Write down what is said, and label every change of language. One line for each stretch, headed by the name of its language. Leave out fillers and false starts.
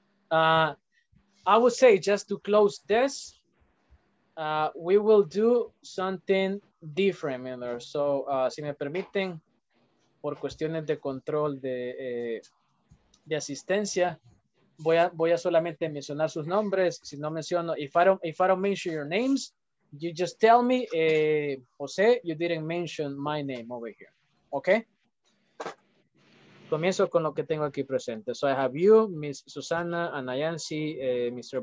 English: I would say just to close this, we will do something different, Miller.
Spanish: So si me permiten, por cuestiones de control de asistencia, voy a solamente mencionar sus nombres. Si no menciono,
English: if I don't mention your names, you just tell me, Jose, you didn't mention my name over here. Okay.
Spanish: Comienzo con lo que tengo aquí presente.
English: So I have you,
Spanish: Miss Susana, Anayansi, Mr.